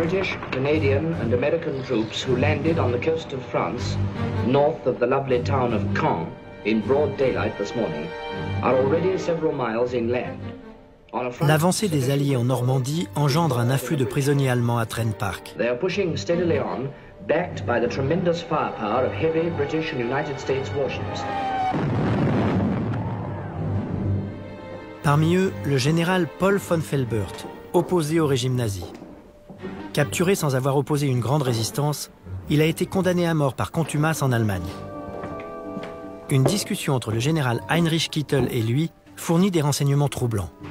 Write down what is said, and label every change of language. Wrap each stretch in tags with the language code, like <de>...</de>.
<en>British, Canadian and American troops who landed on the coast of France, north of the lovely town of Caen, in broad daylight this morning, are already several miles inland.</en> <fr>L'avancée des Alliés en Normandie engendre un afflux de prisonniers allemands à Trent Park.</fr> <en>They are pushing steadily on, backed by the tremendous firepower of heavy British and United States warships.</en> <fr>Parmi eux, le général Paul von Felbert, opposé au régime nazi. Capturé sans avoir opposé une grande résistance, il a été condamné à mort par contumace en Allemagne. Une discussion entre le général Heinrich Kittel et lui fournit des renseignements troublants.</fr>